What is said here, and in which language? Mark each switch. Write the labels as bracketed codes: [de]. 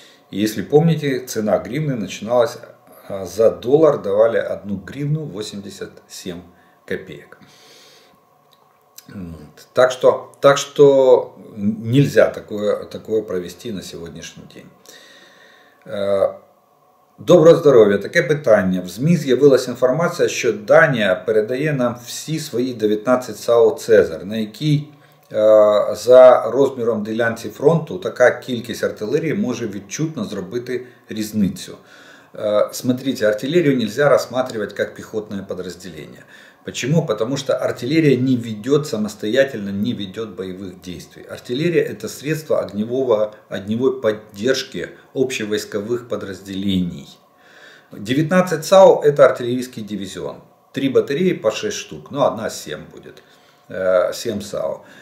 [ru] И если помните, цена гривны начиналась за доллар, давали 1 гривну 87 копеек. Так что нельзя такое провести на сегодняшний день. [uk] Доброго здоров'я. Таке питання. В ЗМІ з'явилася інформація, що Данія передає нам всі свої 19 САУ «Цезар», на якій за розміром ділянці фронту така кількість артилерії може відчутно зробити різницю. [ru] Смотрите, артилерію нельзя рассматривать как [uk] піхотне підрозділення. [ru] Почему? Потому что артиллерия не ведет самостоятельно, не ведет боевых действий. Артиллерия – это средство огневой поддержки общевойсковых подразделений. 19 САУ – это артиллерийский дивизион. 3 батареи по 6 штук, но одна 7 будет, 7 САУ.